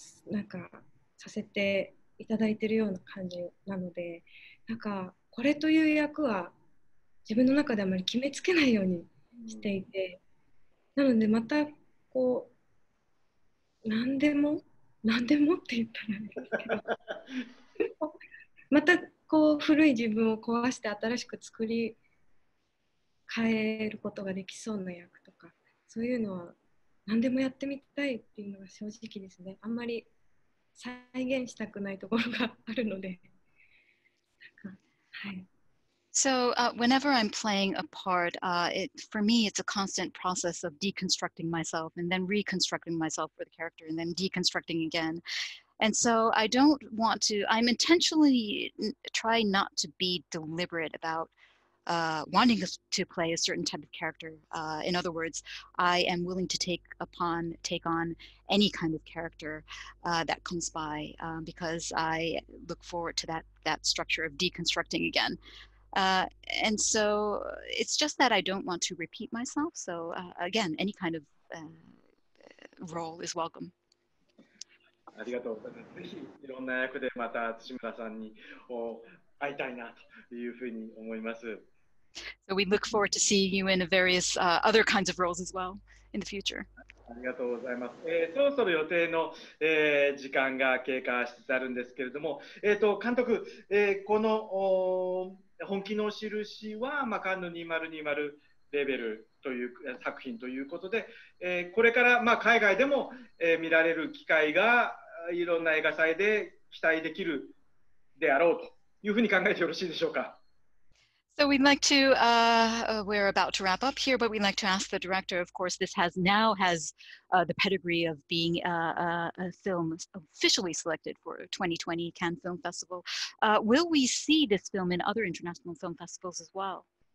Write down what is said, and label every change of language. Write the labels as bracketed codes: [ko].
[ja] なんかさせていただいてるような感じなので、なんかこれという役は自分の中であまり決めつけないようにしていて、なのでまたこう何でも何でもって言ったらいいですけどまたこう古い自分を壊して新しく作り変えることができそうな役とか、そういうのは何でもやってみたいっていうのが正直ですね。あんまり再現したくないところがあるので、はい。 [en] So whenever I'm playing a part, it for me it's a constant process of deconstructing myself and then reconstructing myself for the character and then deconstructing again. And so I don't want to. I'm intentionally try not to be deliberate about wanting to play a certain type of character. In other words, I am willing to take on any kind of character that comes by because I look forward to that structure of deconstructing again. And so it's just that I don't want to repeat myself. So again, any kind of role is welcome. [ja] ありがとうございます。ぜひいろんな役でまた土村さんに会いたいなというふうに思います。 [en] So we look forward to seeing you in various other kinds of roles as well in the future. [ja] ありがとうございます。そろそろ予定の、時間が経過しつつあるんですけれども、監督、この本気の印はカンヌ2020レベルという作品ということで、これから、海外でも、見られる機会がいろんな映画祭で期待できるであろうというふうに考えてよろしいでしょうか。 [en] So we'd like to, we're about to wrap up here, but we'd like to ask the director, of course, this has the pedigree of being a film officially selected for 2020 Cannes Film Festival. Will we see this film in other international film festivals as well?